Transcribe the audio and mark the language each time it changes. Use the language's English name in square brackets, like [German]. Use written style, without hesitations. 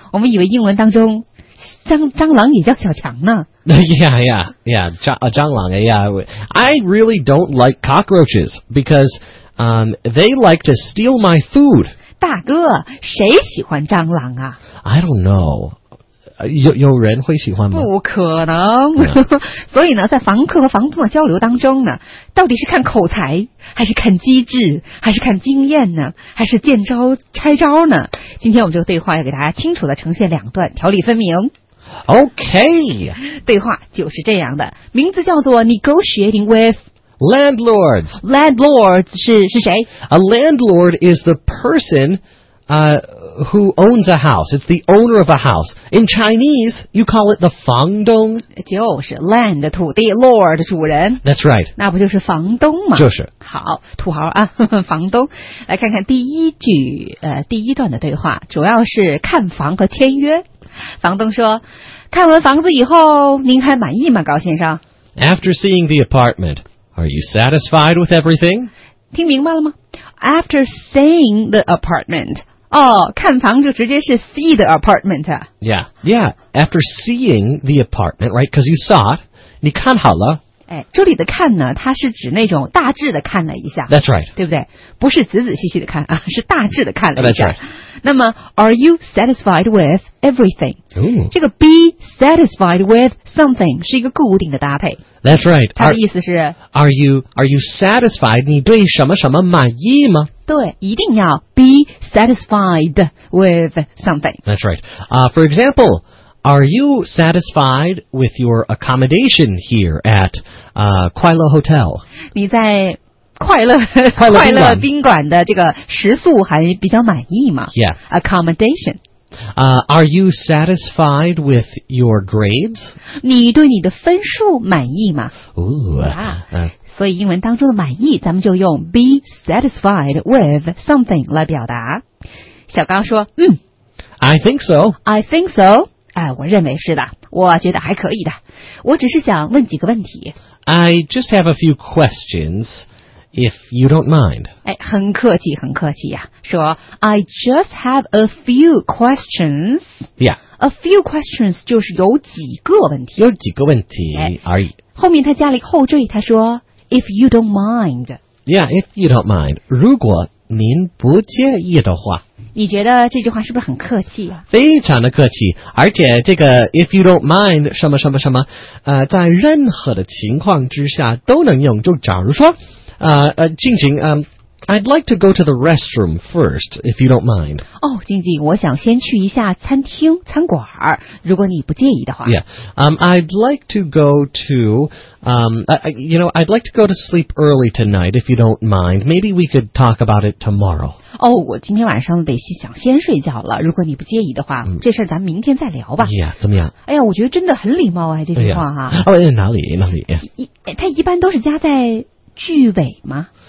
[Chinese] 我们以为英文当中蟑螂也叫小强呢。 [English] Yeah, 蟑螂 yeah. I really don't like cockroaches because They like to steal my food. [Chinese] 大哥，谁喜欢蟑螂啊？ [English] I don't know. [Chinese] 有人会喜欢吗？不可能。所以呢，在房客和房东的交流当中呢，到底是看口才，还是看机智，还是看经验呢，还是见招拆招呢？今天我们这个对话要给大家清楚地呈现两段，条理分明。 [English] OK， [Chinese] 对话就是这样的，名字叫做 Negotiating withLandlords. [English] Landlords [Chinese] 是谁？ [English] A landlord is the person who owns a house. It's the owner of a house. In Chinese, you call it the 房东。 [Chinese] 就是 land 土地 ,lord 主人。 [English] That's right. [Chinese] 那不就是房东吗？就是。好，土豪啊，房东。来看看第一句，第一段的对话，主要是看房和签约。房东说，看完房子以后，您还满意吗，高先生？ [English] After seeing the apartment,Are you satisfied with everything? [Chinese] 听明白了吗? [English] After seeing the apartment. [Chinese] 哦,看房就直接是 [English] see the apartment. Yeah, yeah. After seeing the apartment, right? Because you saw it. [Chinese] 你看好了。哎,这里的看呢,它是指那种大致的看了一下。 [English] That's right. [Chinese] 对不对? 不是仔仔细细的看,啊,是大致的看了一下。 [English] That's right. 那么 , are you satisfied with everything? Ooh. [Chinese] 这个 [English] be satisfied with something [Chinese] 是一个固定的搭配。 [English] That's right. [Chinese] 他的意思是 [English] Are you satisfied? [Chinese] 你对什么什么满意吗？对，一定要 [English] be satisfied with something. That's right. For example, are you satisfied with your accommodation here at 快乐 Hotel? [Chinese] 你在快乐宾馆的这个食宿还比较满意吗？ [English] Yeah. Accommodation. Are you satisfied with your grades? [Chinese] 你对你的分数满意吗？ Ooh, 所以英文当中的满意，咱们就用 [English] be satisfied with something [Chinese] 来表达。小刚说，嗯。 [English] I think so. [Chinese] 我认为是的，我觉得还可以的。我只是想问几个问题。 [English] I just have a few questions, if you don't mind. [Chinese] 哎，很客气，很客气呀。说 [English] I just have a few questions. Yeah. A few questions [Chinese] 就是有几个问题。有几个问题而已。后面他加了一个后缀，他说 [English] if you don't mind. Yeah, if you don't mind. [Chinese] 如果您不介意的话。你觉得这句话是不是很客气啊？非常的客气，而且这个 [English] if you don't mind [Chinese] 什么什么什么，在任何的情况之下都能用，就假如说静静 [English] I'd like to go to the restroom first, if you don't mind. [Chinese] 哦，静静，我想先去一下餐厅、餐馆儿，如果你不介意的话。 [English] Yeah, I'd like to go to, I'd like to go to sleep early tonight, if you don't mind. Maybe we could talk about it tomorrow. [Chinese] 哦，我今天晚上得想先睡觉了，如果你不介意的话，这事儿咱们明天再聊吧。 Yeah, 怎么样？哎呀，我觉得真的很礼貌啊，这句话哈。 Yeah. Oh, 哪里？它一般都是加在句尾吗？